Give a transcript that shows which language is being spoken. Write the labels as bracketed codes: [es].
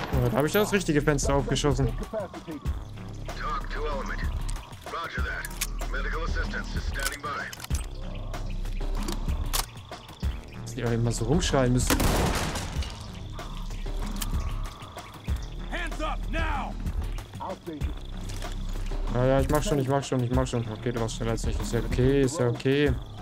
[de] Da habe ich das richtige Fenster aufgeschossen. [en] Talk to Element. Roger that. Medical assistance is standing by. [de] nicht auch immer so rumschreien müssen. [en] Hands up now! [de] Na ja, ich mach schon. Okay, du warst schneller als ich. Ist ja okay.